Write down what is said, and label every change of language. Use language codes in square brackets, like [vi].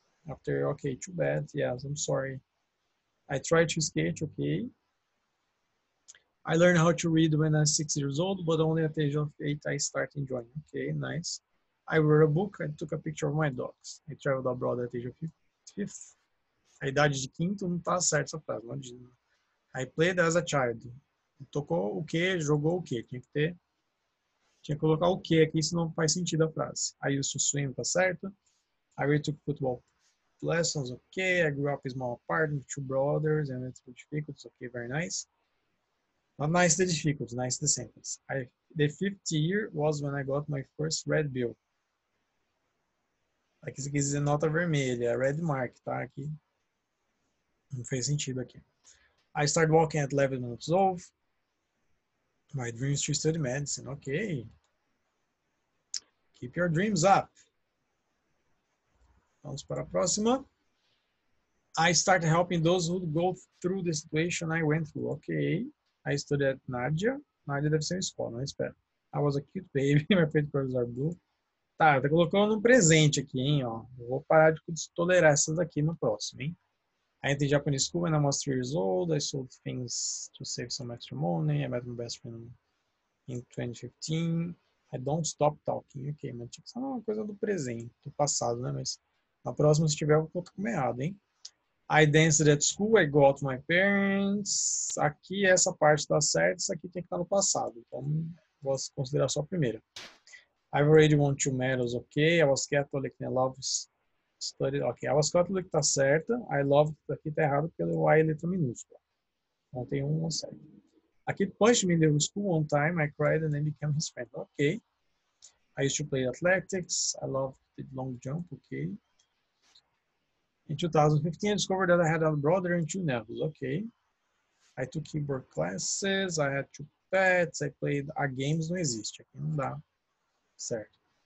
[en] After, okay, too bad, yes, I'm sorry. I tried to skate, okay. I learned how to read when I was 6 years old, but only at the age of 8 I started enjoying. Okay, nice. I wrote a book, I took a picture of my dogs. I traveled abroad at the age of 5th. [pt] A idade de 5º não tá certo essa frase, imagina. [en] I played as a child. [pt] Tocou o quê, jogou o quê, tinha que ter... Tinha que colocar o quê aqui, senão não faz sentido a frase. [en] I used to swim, [pt] tá certo? [en] I really took football lessons, ok. I grew up in a small apartment with two brothers and it's difficult, ok. Very nice. Not nice the difficult, nice the sentence. The fifth year was when I got my first red bill. [pt] Aqui você quis dizer nota vermelha, [en] red mark, [pt] tá? Aqui. Não fez sentido aqui. [en] I started walking at 11 minutes old. My dreams to study medicine. Okay. Keep your dreams up. [pt] Vamos para a próxima. [en] I started helping those who go through the situation I went through. Okay. I studied at Nadia. [pt] Nadia deve ser em escola, não espero. [en] I was a cute baby. My favorite colors are blue. [pt] Tá, tá colocando um presente aqui, hein? Ó. Eu vou parar de tolerar essas aqui no próximo, hein? [en] I entered Japanese school when I was 3 years old. I sold things to save some extra money. I met my best friend in 2015. I don't stop talking. [pt] Ok, mas tinha que ser uma coisa do presente, do passado, né? Mas na próxima, se tiver, eu vou com errado, hein? [en] I danced at school. I got my parents. [pt] Aqui, essa parte tá certa. Isso aqui tem que estar no passado. Então, vou considerar só a primeira. I've already won 2 medals. Ok, I was Catholic and I love studied, ok, I was Catholic, tá certa. [en] I love, [pt] aqui tá errado, porque o I é letra minúscula. Não tem um, não serve. [en] Aqui, punch me in the school one time, I cried and then became his friend. Ok. I used to play athletics, I loved the long jump, ok. In 2015, I discovered that I had a brother and 2 nephews, ok. I took keyboard classes, I had 2 pets, I played, a games [pt] não existe, aqui não dá. Certo.